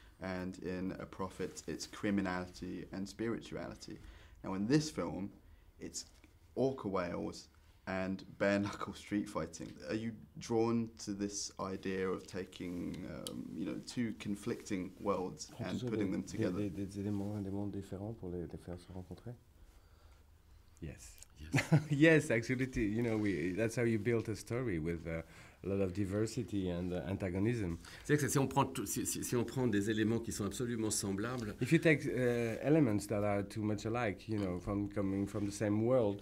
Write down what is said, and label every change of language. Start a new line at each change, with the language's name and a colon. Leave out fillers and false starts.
English: And in A Prophet, it's criminality and spirituality. Now, in this film, it's orca whales and bare-knuckle street fighting. Are you drawn to this idea of taking, two conflicting worlds and putting them together?
French: Des éléments, des mondes différents pour les faire se rencontrer?
English: Yes. Yes, absolutely. You know, that's how you build a story with a lot of diversity and antagonism.
French: C'est que si on prend des éléments qui sont absolument semblables.
English: If you take elements that are too much alike, you know, from coming from the same world.